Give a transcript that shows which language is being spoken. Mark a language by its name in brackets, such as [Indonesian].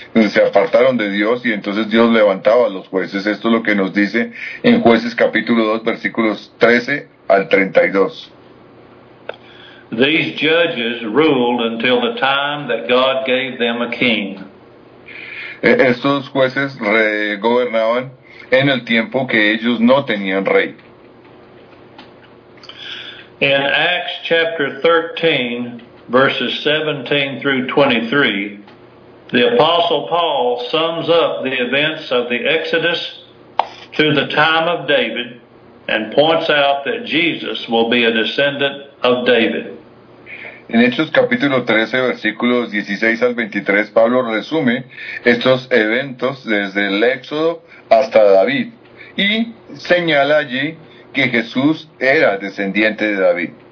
[Spanish] Se apartaron de Dios y entonces Dios levantaba a los jueces. Esto es lo que nos dice en Jueces capítulo 2, versículos 13 al 32. [English] These judges ruled until the time that God gave them a king. [Spanish] Estos jueces gobernaban en el tiempo que ellos no tenían rey. [English] In Acts chapter 13, verses 17 through 23, the Apostle Paul sums up the events of the Exodus through the time of David and points out that Jesus will be a descendant of David. [Spanish] En Hechos capítulo 13, versículos 16 al 23, Pablo resume estos eventos desde el Éxodo hasta David y señala allí que Jesús era descendiente de David.